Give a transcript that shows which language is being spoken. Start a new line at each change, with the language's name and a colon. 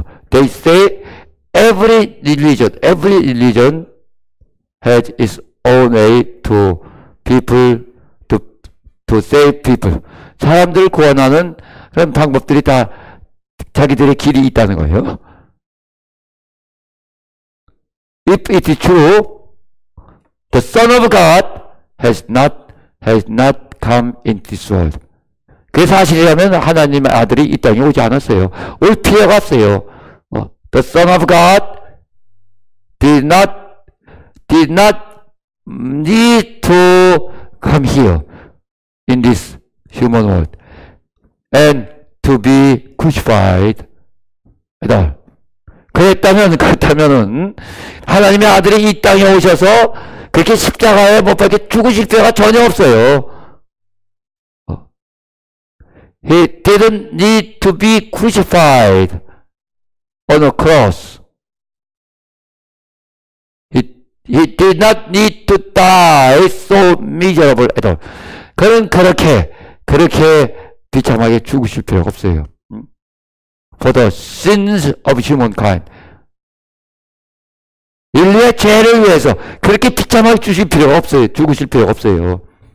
English: They say every religion has its own way to people, to save people.
Korean: 사람들을 구원하는 그런 방법들이 다 자기들의 길이 있다는 거예요.
English: If it is true, the Son of God has not come in this world.
Korean: 그게 사실이라면 하나님의 아들이 이 땅에 오지 않았어요. 올 필요가 없어요.
English: The Son of God did not need to come here in this human world and to be crucified at all.
Korean: 그랬다면 하나님의 아들이 이 땅에 오셔서 그렇게 십자가에 못 박혀 죽으실 때가 전혀 없어요.
English: He didn't need to be crucified on a cross. He did not need to die so miserable at all.
Korean: 그는 그렇게 비참하게 죽으실 필요가 없어요.
English: For the sins of humankind.
Korean: 인류의 죄를 위해서 그렇게 비참하게 죽으실 필요가 없어요.